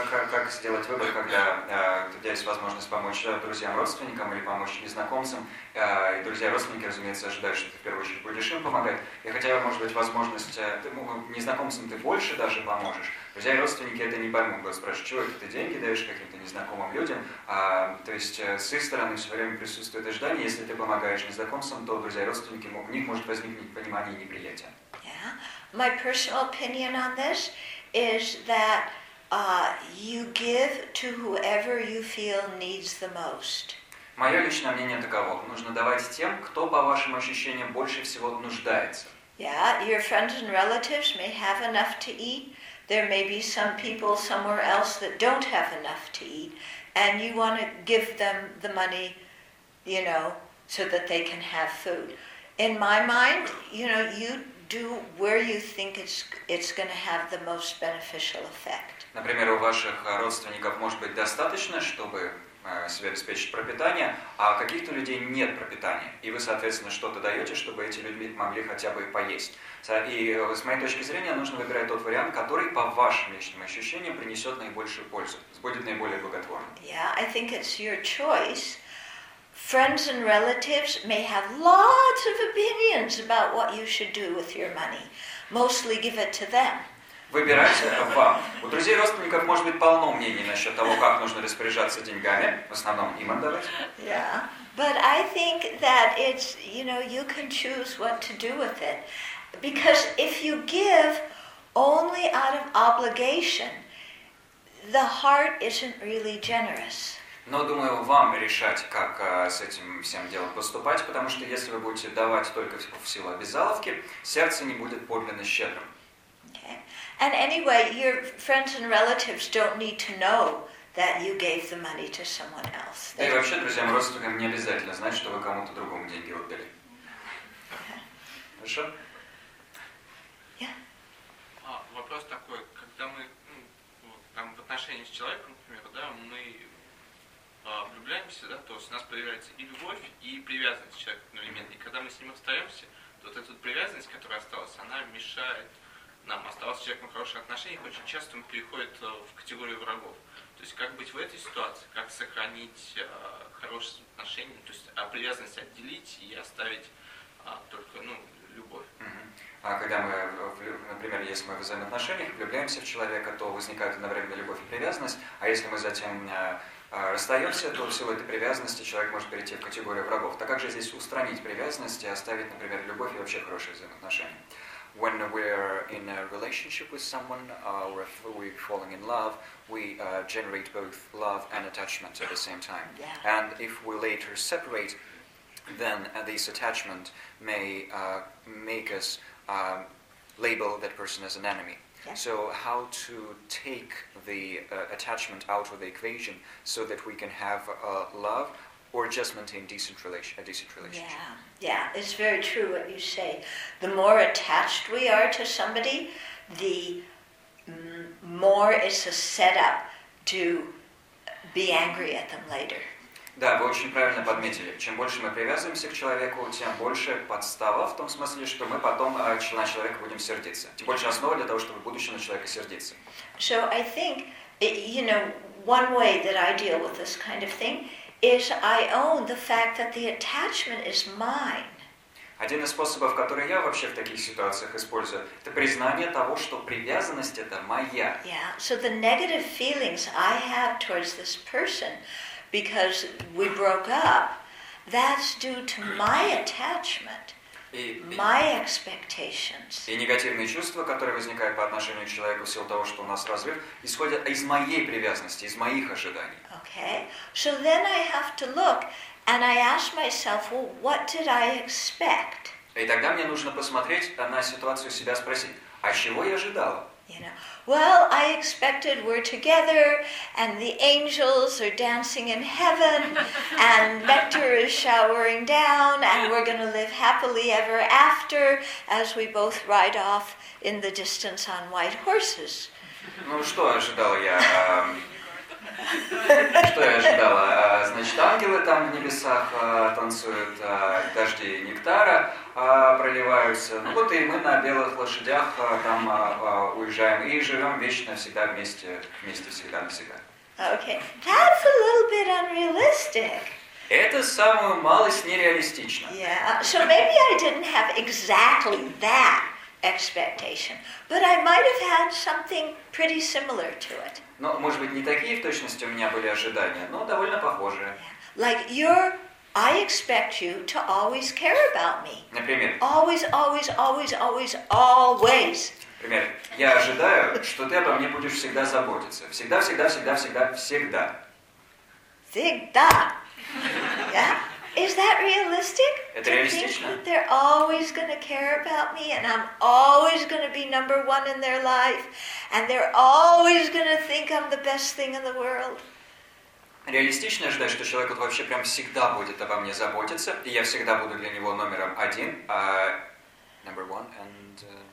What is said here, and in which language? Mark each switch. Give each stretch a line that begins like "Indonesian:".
Russian: Как сделать выбор, когда у тебя есть возможность помочь друзьям, родственникам или помочь незнакомцам, и друзья, родственники, разумеется, ожидают, что ты в первую очередь будешь им помогать, и хотя, может быть, возможность, незнакомцам ты больше даже поможешь, друзья и родственники это не поймут, будут спрашивать, чего это ты деньги даешь каким-то незнакомым людям, то есть с их стороны все время присутствует ожидание, если ты помогаешь незнакомцам, то друзья и родственники, у них может возникнуть понимание и неприятие.
English: My personal opinion on this is that you give to whoever you feel needs the most.
Russian: Моё личное мнение таково: нужно давать тем, кто по вашим ощущениям больше всего нуждается.
English: Yeah, your friends and relatives may have enough to eat. There may be some people somewhere else that don't have enough to eat, and you want to give them the money, you know, so that they can have food. In my mind, you know, you do where you think it's going to have the most beneficial effect.
Russian: Например, у ваших родственников может быть достаточно, чтобы себе обеспечить пропитание, а у каких-то людей нет пропитания, и вы, соответственно, что-то даете, чтобы эти люди могли хотя бы поесть. И с моей точки зрения, нужно выбирать тот вариант, который, по вашим личным ощущениям, принесет наибольшую пользу, будет наиболее благотворным.
English: Yeah, I think it's your choice. Friends and relatives may have lots of opinions about what you should do with your money. Mostly give it to them.
Russian: Выбирайте вам. У друзей и родственников может быть полно мнений насчет того, как нужно распоряжаться деньгами. В основном им отдавать.
English: Yeah, but I think that it's, you know, you can choose what to do with it. Because if you give only out of obligation, the heart isn't really generous.
Russian: Но, думаю, вам решать, как с этим всем делом поступать, потому что если вы будете давать только в силу обязаловки, сердце не будет подлинно щедрым.
English: Okay. And anyway, your friends and relatives don't need to know that you gave the money to someone else.
Russian: Да и вообще, друзьям и родственникам не обязательно знать, что вы кому-то другому деньги отдали.
English: Okay.
Russian: Хорошо?
English: Yeah.
Russian: Вопрос такой, когда мы, в отношении с человеком, например, да, мы влюбляемся, да, то есть у нас появляется и любовь, и привязанность к человеку одновременно. И когда мы с ним остаемся, то вот эта привязанность, которая осталась, она мешает нам. Осталось с человеком хорошее отношение, очень часто он переходит в категорию врагов. То есть как быть в этой ситуации, как сохранить хорошие отношения, то есть а привязанность отделить и оставить только, любовь. А когда мы, например, если мы в взаимоотношениях, влюбляемся в человека, то возникает одновременно любовь и привязанность, а если мы затем расстаемся, то в силу этой привязанности человек может перейти в категорию врагов. Так как же здесь устранить привязанность и оставить, например, любовь и вообще хорошие взаимоотношения?
English: When we're in a relationship with someone, or if we're falling in love, we generate both love and attachment at the same time. Yeah. And if we later separate, then this attachment may make us label that person as an enemy. Yeah. So how to take the attachment out of the equation so that we can have love or just maintain a decent relationship? Yeah, it's very true what you say. The more attached we are to somebody, the more it's a setup to be angry at them later.
Russian: Да, вы очень правильно подметили. Чем больше мы привязываемся к человеку, тем больше подстава в том смысле, что мы потом на человека будем сердиться. Тем больше основа для того, чтобы в будущем на человека сердиться.
English: So I think, you know, one way that I deal with this kind of thing is I own the fact that the attachment is mine.
Russian: Один из способов, который я вообще в таких ситуациях использую, это признание того, что привязанность это моя.
English: Yeah, so the negative feelings I have towards this person because we broke up, that's due to my attachment, my expectations.
Russian: И негативные чувства, которые возникают по отношению к человеку в силу того, что у нас разрыв, исходят из моей привязанности, из моих ожиданий.
English: Okay, so then I have to look and I ask myself, well, what did I expect?
Russian: И тогда мне нужно посмотреть на ситуацию себя, спросить, а чего я ожидала?
English: You know, well, I expected we're together, and the angels are dancing in heaven, and nectar is showering down, and we're going to live happily ever after, as we both ride off in the distance on white horses.
Russian: Ну, что ожидал я? Что я ожидала? Значит, ангелы там в небесах танцуют, дожди нектара проливаются. Ну вот и мы на белых лошадях там уезжаем и живем вечно всегда вместе, вместе всегда навсегда.
English: Okay, that's a little bit unrealistic.
Russian: Это самую малость нереалистично.
English: Yeah, so maybe I didn't have exactly that expectation, but I might have had something pretty similar to it.
Russian: Ну, может быть, не такие в точности у меня были ожидания, но довольно похожие.
English: Like you're, I expect you to always care about me.
Russian: Например.
English: Always, always, always, always, always.
Russian: Например, я ожидаю, что ты обо мне будешь всегда заботиться. Всегда, всегда, всегда, всегда, всегда. Всегда.
English: Yeah? Is that realistic?
Russian: Это реалистично?
English: To think that they're always going to care about me and I'm always going to be number one in their life and they're always going to think I'm the best thing in the world.
Russian: Реалистично ожидать, что человек вот вообще прям всегда будет обо мне заботиться и я всегда буду для него номером один,
English: number one and